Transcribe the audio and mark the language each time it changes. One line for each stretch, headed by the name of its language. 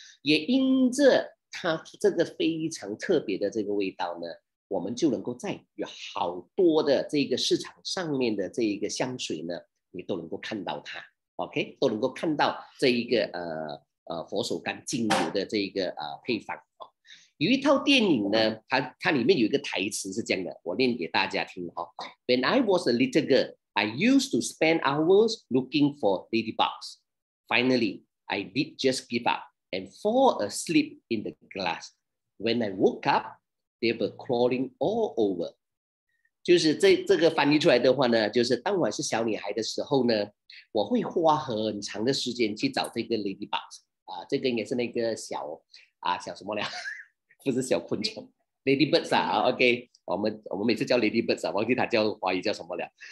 Chinese: 也因着它这个非常特别的这个味道呢，我们就能够在有好多的这个市场上面的这一个香水呢，你都能够看到它 ，OK， 都能够看到这一个佛手柑精油的这一个配方。有一套电影呢，它里面有一个台词是这样的，我念给大家听哈。
English: When I was a little girl, I used to spend hours looking for ladybugs. Finally, I did just give up and fall asleep in the grass. When I woke up, they were crawling all over.
Chinese: 就是这个翻译出来的话呢，就是当我是小女孩的时候呢，我会花很长的时间去找这个 ladybugs 啊，这个应该是那个小啊小什么了，不是小昆虫 ladybirds 啊 ，OK， 我们每次叫 ladybirds 啊，忘记它叫华语叫什么了。